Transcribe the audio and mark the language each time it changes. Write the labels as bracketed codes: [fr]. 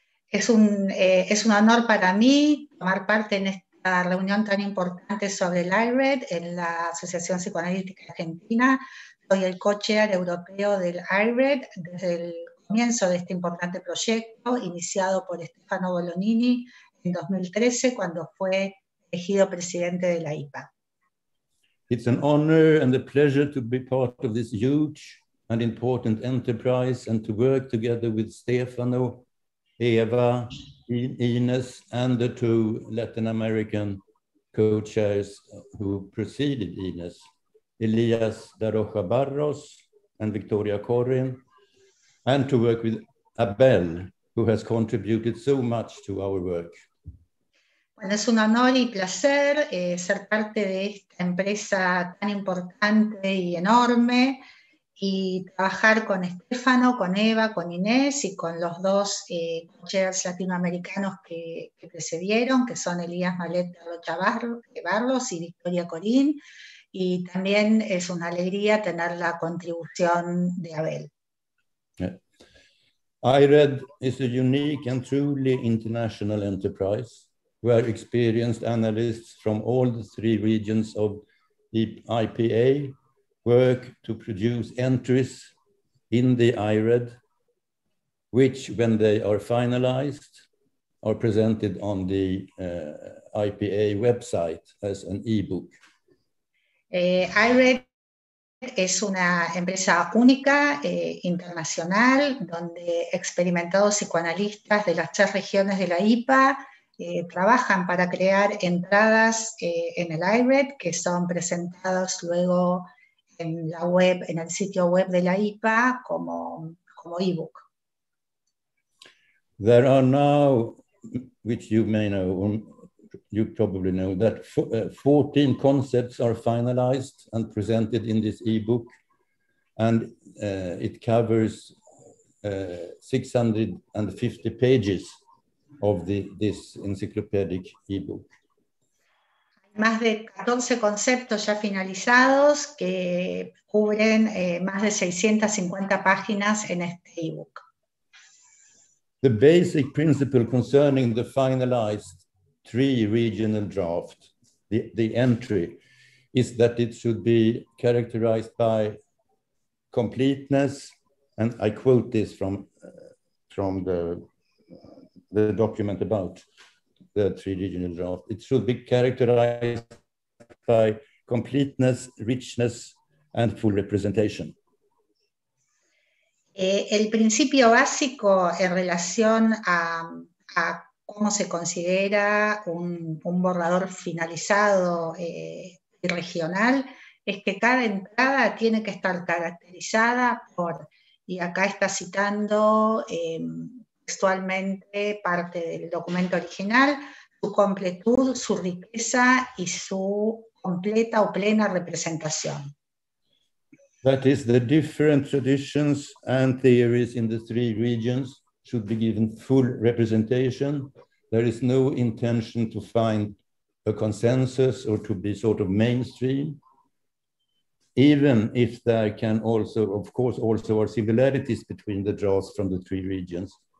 [es] Es un honor para mí tomar parte en esta reunión tan importante sobre el IRED en la Asociación Psicoanalítica Argentina. Soy el co-chair europeo del IRED desde el comienzo de este importante proyecto iniciado por Stefano Bolognini en 2013 cuando fue elegido presidente de la IPA. [en] It's an honor and a pleasure to be part of this huge and important enterprise and to work together with Stefano, Eva, Ines and the two Latin American co-chairs who preceded Ines, Elias da Rocha Barros and Victoria Corrin, and to work with Abel, who has contributed so much to our work. [es] Bueno, es un honor y placer ser parte de esta empresa tan importante y enorme, y trabajar con Stefano, con Eva, con Inés y con los dos chairs latinoamericanos que precedieron, que son Elías Malet da Rocha Barros y Victoria Corrin. Y también es una alegría tener la contribución de Abel. [en] Yeah. IRED is a unique and truly international enterprise where experienced analysts from all the three regions of the IPA work to produce entries in the IRED, which when they are finalized are presented on the IPA website as an e-book. [es] IRED es una empresa única, internacional, donde experimentados psicoanalistas de las tres regiones de la IPA trabajan para crear entradas en el IRED, que son presentados luego en la web, en el sitio web de la IPA, como e-book. [en] There are now, which you may know, you probably know that 14 concepts are finalized and presented in this ebook, and it covers 650 pages of this encyclopedic ebook. [es] Más de 14 conceptos ya finalizados que cubren más de 650 páginas en este ebook. [en] The basic principle concerning the finalized three regional draft, the entry, is that it should be characterized by completeness, and I quote this from the document about the three regional draft. It should be characterized by completeness, richness, and full representation. [es] El principio básico en relación a cómo se considera un borrador finalizado y regional, es que cada entrada tiene que estar caracterizada por, y acá está citando textualmente parte del documento original, su completud, su riqueza y su completa o plena representación. [en] That is, the different traditions and theories in the three regions should be given full representation. There is no intention to find a consensus or to be sort of mainstream, even if there can also, of course, also are similarities between the drafts from the three regions.